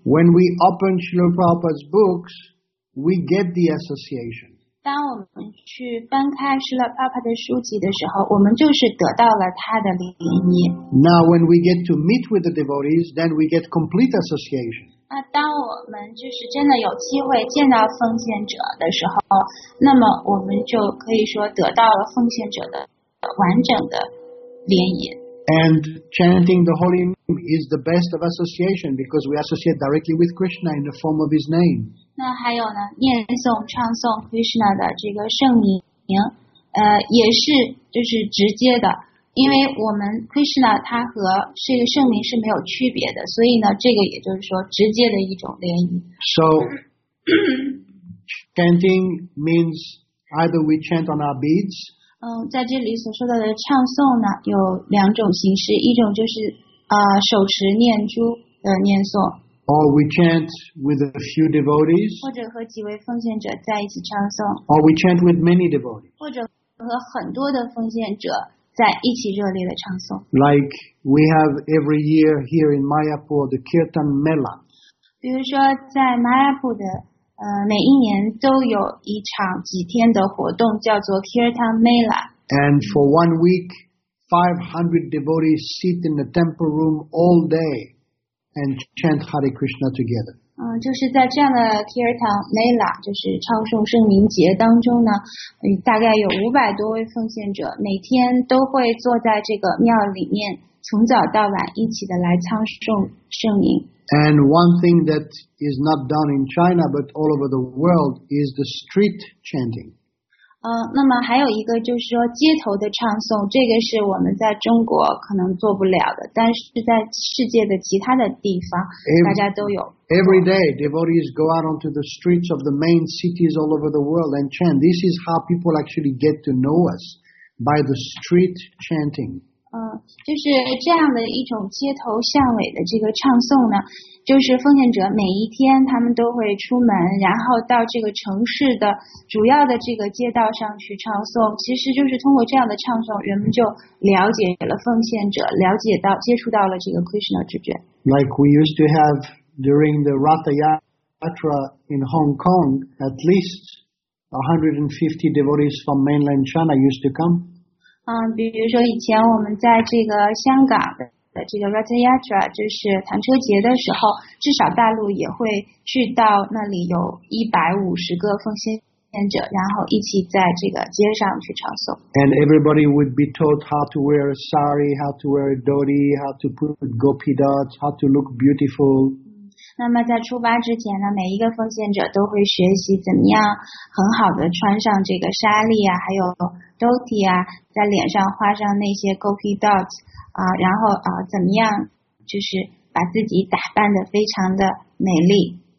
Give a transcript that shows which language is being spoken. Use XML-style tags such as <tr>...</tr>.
<en>When we open Srila Prabhupada's books, we get the association.</en> <zh>当我们去翻开 Srila Prabhupada 的书籍的时候，我们就是得到了他的联谊。</zh> <en>Now when we get to meet with the devotees, then we get complete association.</en> <zh>那当我们就是真的有机会见到奉献者的时候，那么我们就可以说得到了奉献者的完整的联姻。</zh> <en>And chanting the holy name is the best of association because we associate directly with Krishna in the form of his name.</en> <zh>那还有呢，念诵唱诵 Krishna 的这个圣名，也是就是直接的，因为我们 Krishna 他和这个圣名是没有区别的，所以呢，这个也就是说直接的一种联姻。</zh> <en>So chanting means either we chant on our beads.</en> <zh>在这里所说到的唱诵呢有两种形式，一种就是手持念珠的念诵。</zh> <en>Or we chant with a few devotees.</en> <zh>或者和几位奉献者在一起唱诵。</zh> <en>Or we chant with many devotees.</en> <zh>或者和很多的奉献者在一起热烈的唱诵。</zh> <en>Like we have every year here in Mayapur, the Kirtan Mela.</en> <zh>比如说在 Mayapur 的每一年都有一场几天的活动叫做 Kirtan Mela.</zh> <en>And for one week, 500 devotees sit in the temple room all day and chant Hare Krishna together.</en> <zh>就是在这样的 Kirtan Mela, 就是唱诵圣名节当中呢，大概有500多位奉献者每天都会坐在这个庙里面从早到晚一起的来唱诵圣名。</zh> <en>And one thing that is not done in China, but all over the world, is the street chanting.</en> <zh>那么还有一个就是说街头的唱诵，这个是我们在中国可能做不了的，但是在世界的其他的地方，大家都有。</zh> <en>Every day, devotees go out onto the streets of the main cities all over the world and chant. This is how people actually get to know us, by the street chanting.</en> <zh>就是这样的一种街头巷尾的这个唱诵呢，就是奉献者每一天他们都会出门，然后到这个城市的主要的这个街道上去唱诵。其实就是通过这样的唱诵，人们就了解了奉献者，了解到接触到了这个 Krishna 之觉。</zh> <en>Like we used to have during the Ratha Yatra in Hong Kong, at least 150 devotees from mainland China used to come.</en> <zh>比如说以前我们在这个香港的这个 Ratha Yatra, 就是弹车节的时候，至少大陆也会去到那里有150个奉献者，然后一起在这个街上去唱诵。</zh> <en>And everybody would be taught how to wear a sari, how to wear a dhoti, how to put gopi dots, how to look beautiful.</en> <zh>那么在出发之前呢，每一个奉献者都会学习怎么样很好的穿上这个纱丽啊，还有 dhoti 啊，在脸上画上那些 gopi dots 然后怎么样就是把自己打扮得非常的美丽。</zh>